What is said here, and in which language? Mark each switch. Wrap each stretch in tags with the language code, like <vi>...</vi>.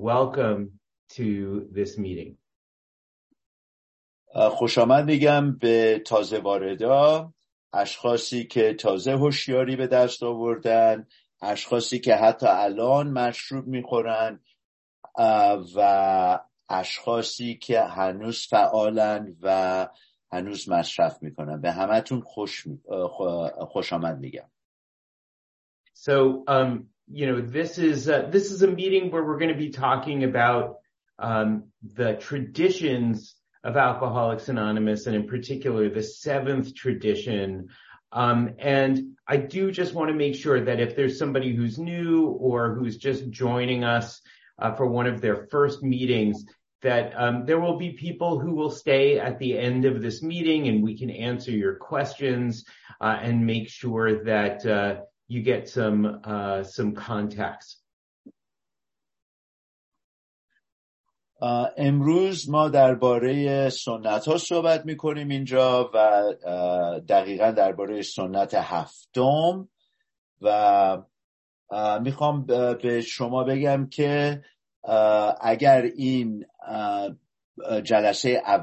<en>Welcome to this meeting.</en> <fa>خوش آمد میگم به تازه واردا، اشخاصی که تازه هوشیاری به دست آوردن، اشخاصی که حتی الان مشروب میخورن و اشخاصی که هنوز فعالن و هنوز مصرف میکنن. به همه تون خوش آمد میگم.</fa> <en>So, you know, this is a meeting where we're going to be talking about the traditions of Alcoholics Anonymous, and in particular, the seventh tradition. And I do just want to make sure that if there's somebody who's new or who's just joining us for one of their first meetings, that there will be people who will stay at the end of this meeting and we can answer your questions and make sure that you get some contacts.</en> <fa>امروز ما درباره سنت ها صحبت میکنیم اینجا و دقیقا درباره سنت هفتم و میخوام به شما بگم که اگر این جلسه</fa>